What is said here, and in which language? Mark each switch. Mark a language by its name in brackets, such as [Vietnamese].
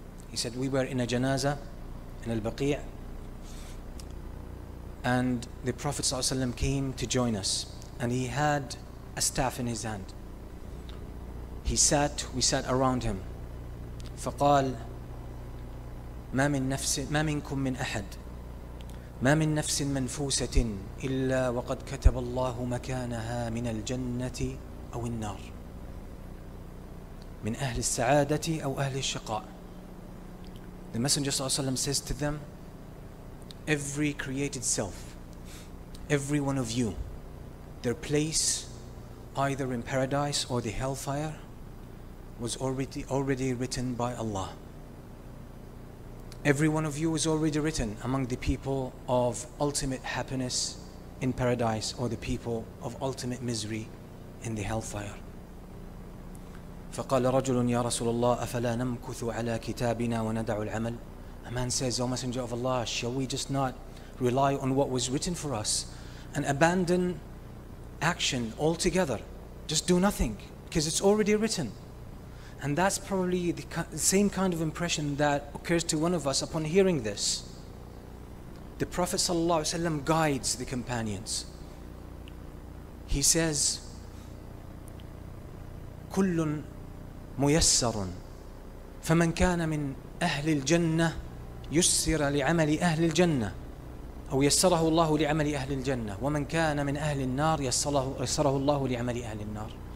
[English] He said, we were in a janaza in al-Baqi' and the Prophet ﷺ came to join us and he had a staff in his hand. We sat around him. [Arabic] فقال ما من نفس ما منكم من أحد ما من نفس منفوسة إلا وقد كتب الله مكانها من الجنة أو النار من أهل السعادة أو أهل الشقاء. [English] The Messenger [Arabic] صلى الله عليه وسلم [English] says to them, every created self, every one of you, their place either in paradise or the hellfire was already written by Allah. Every one of you is already written among the people of ultimate happiness in paradise or the people of ultimate misery in the hellfire. [Arabic] فقال رجل يا رسول الله أفلا نمكث على كتابنا وندع العمل. [English] A man says, O Messenger of Allah, shall we just not rely on what was written for us and abandon action altogether? Just do nothing because it's already written. And that's probably the same kind of impression that occurs to one of us upon hearing this. The Prophet ﷺ guides the companions. He says, [Arabic] كل ميسر فمن كان من أهل الجنة يسر لعمل أهل الجنة أو يسره الله لعمل أهل الجنة ومن كان من أهل النار يسره الله لعمل أهل النار.